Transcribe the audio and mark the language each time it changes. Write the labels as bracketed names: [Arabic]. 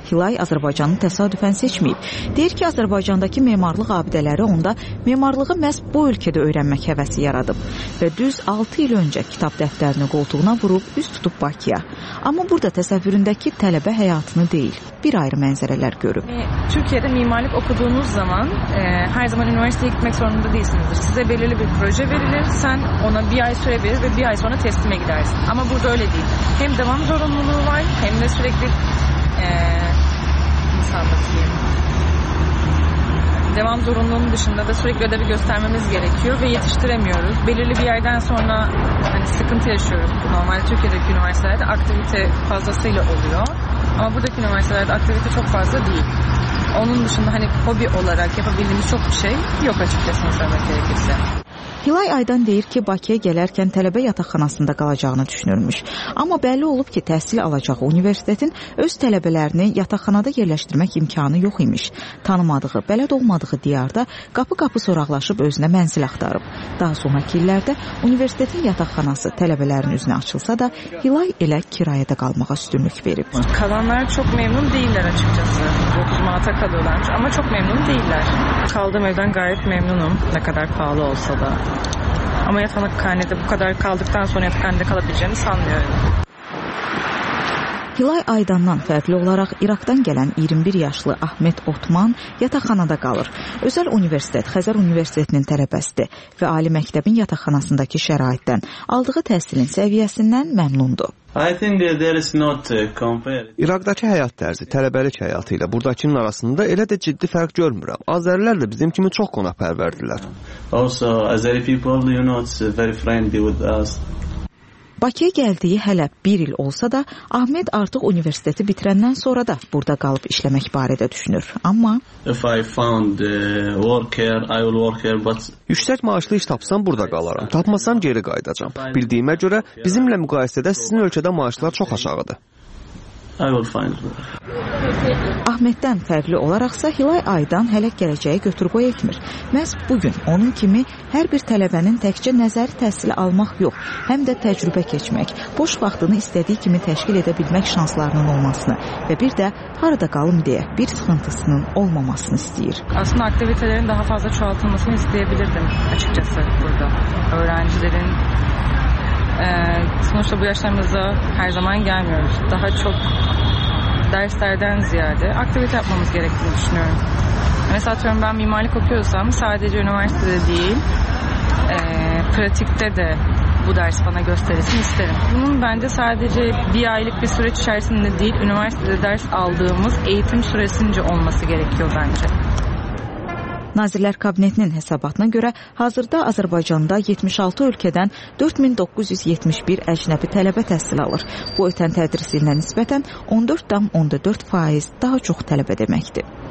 [Azerbaijani] Hilay Azerbaycan'ı təsadüfən seçmeyip, deyir ki, Azerbaycan'daki memarlıq abideleri onda memarlığı məhz bu ölkədə öyrənmək həvəsi yaradıb və düz 6 il öncə kitab dəftərini qoltuğuna vurub üz tutub Bakıya. Amma burada təsəvvüründəki tələbə həyatını deyil, bir ayrı mənzərələr görüb. [Turkish] Türkiyədə mimarlıq okuduğunuz zaman her zaman üniversiteye gitmek zorunda değilsinizdir. Size belirli bir proje verilir, sen ona bir ay süre verir ve bir ay sonra teslime gidersin. Ama burada öyle değil. Hem devam zorunluluğu var, hem de sürekli devam zorunluluğunun dışında da sürekli ödevi göstermemiz gerekiyor ve yetiştiremiyoruz. Belirli bir yerden sonra hani sıkıntı yaşıyoruz. Normalde Türkiye'deki üniversitelerde aktivite fazlasıyla oluyor. Ama buradaki üniversitelerde aktivite çok fazla değil. Onun dışında hani hobi olarak yapabildiğimiz çok bir şey yok açıkçası söylemek gerekirse. [Azerbaijani] Hilay Aydan deyir ki, Bakıya gələrkən tələbə yataqxanasında qalacağını düşünürmüş. Amma bəlli olub ki, təhsil alacağı universitetin öz tələbələrini yataqxanada yerləşdirmək imkanı yox imiş. Tanımadığı, bələd olmadığı diyarda qapı-qapı soraqlaşıb özünə mənzil axtarıb. Daha sonraki illərdə universitetin yataqxanası tələbələrin üzünə açılsa da, Hilay elə kiraya da qalmağa üstünlük verib. [Turkish] Kalanlar çok memnun değiller açıkçası. 9 manata kalıyorlar ama çok memnun değiller. Kaldığım evden gayet memnunum, ne kadar pahalı olsa da. Ama yatakhanede bu kadar kaldıktan sonra yatakhanede kalabileceğimi sanmıyorum. [Azerbaijani] Hilay Aydan'dan fərqli olarak İraq'dan gələn 21 yaşlı Ahmet Otman yataqxanada qalır. Özel universitet Xəzər Universitetinin tələbəsidir və Ali Məktəbin yataqxanasındakı şəraitdən, aldığı təhsilin səviyyəsindən məmnundur. İraqdakı həyat tərzi, tələbəlik həyatı ilə buradakının arasında elə də ciddi fərq görmürəm. Azərilər də bizim kimi çox qonaqpərvərdirlər. [English] Also, Azeri people, you know, it's very friendly with us. [Azerbaijani] Bakıya gəldiyi hələ bir il olsa da, Ahmet artıq universiteti bitirəndən sonra da burada qalıb işləmək barədə düşünür. Amma... [English] If I found work here, I will work here, but... [Azerbaijani] Yüksək maaşlı iş tapsam, burada qalaram. Tapmasam, geri qayıdacam. Bildiyimə görə, bizimlə müqayisədə sizin ölkədə maaşlar çox aşağıdır. [English] I will find. [Azerbaijani] Ahmet'dən fərqli olaraqsa Hilay Aydan hələ gələcəyi götür-qoy etmir. Məhz bugün onun kimi hər bir tələbənin təkcə nəzəri təhsil almaq yox, həm də təcrübə keçmək, boş vaxtını istədiyi kimi təşkil edə bilmək şanslarının olmasını və bir də harada qalım deyə bir sıxıntısının olmamasını istəyir. [Turkish] Aslında aktivitelerin daha fazla çoğaltılmasını isteyebilirdim açıkçası burada. Öğrencilerin sonuçta bu yaşlarımıza her zaman gelmiyoruz. Daha çok derslerden ziyade aktivite yapmamız gerektiğini düşünüyorum. Mesela diyorum, ben mimarlık okuyorsam sadece üniversitede değil, pratikte de bu ders bana gösterilsin isterim. Bunun bence sadece bir aylık bir süreç içerisinde değil, üniversitede ders aldığımız eğitim süresince olması gerekiyor bence. [Azerbaijani] Nazirlər Kabinetinin hesabatına görə hazırda Azərbaycanda 76 ölkədən 4971 əcnəbi tələbə təhsil alır. Bu ötən tədris ilinə nisbətən 14.4% daha çox tələbə deməkdir.